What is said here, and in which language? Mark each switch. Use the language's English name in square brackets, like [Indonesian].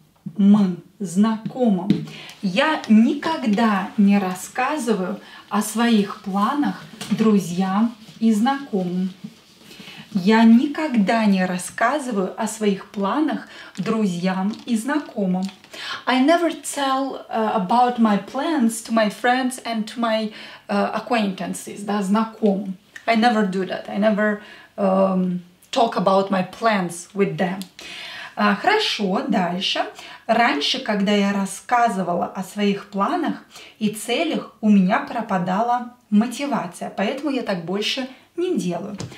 [Russian] Друзьям и знакомым. Я никогда не рассказываю о своих планах друзьям и знакомым. Я никогда не рассказываю о своих планах друзьям и знакомым. [English] I never tell about my plans to my friends and to my acquaintances, [Russian] да, знакомым. [English] I never do that. I never talk about my plans with them. [Russian] Хорошо, дальше. Раньше, когда я рассказывала о своих планах и целях, у меня пропадала мотивация, поэтому я так больше не делаю.